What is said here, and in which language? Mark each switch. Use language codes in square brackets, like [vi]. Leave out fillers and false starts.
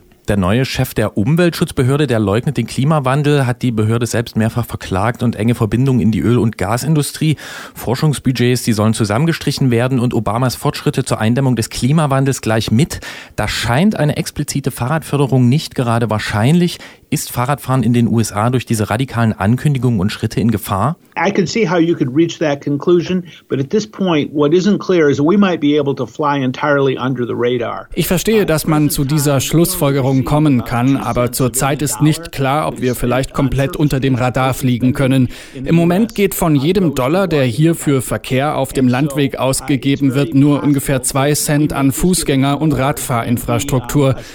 [de] Der neue Chef der Umweltschutzbehörde, der leugnet den Klimawandel, hat die Behörde selbst mehrfach verklagt und enge Verbindungen in die Öl- und Gasindustrie. Forschungsbudgets, die sollen zusammengestrichen werden und Obamas Fortschritte zur Eindämmung des Klimawandels gleich mit. Da scheint eine explizite Fahrradförderung nicht gerade wahrscheinlich. Ist Fahrradfahren in den USA durch diese radikalen Ankündigungen und Schritte in Gefahr? [en] I can see how you could reach that conclusion, but at this point what isn't clear is we might be able to fly entirely under the radar. [de] Ich verstehe, dass man zu dieser Schlussfolgerung kommen kann, aber zurzeit ist nicht klar, ob wir vielleicht komplett unter dem Radar fliegen können. Im Moment geht von jedem Dollar, der hier für Verkehr auf dem Landweg ausgegeben wird, nur ungefähr 2 Cent an Fußgänger- und Radfahrinfrastruktur.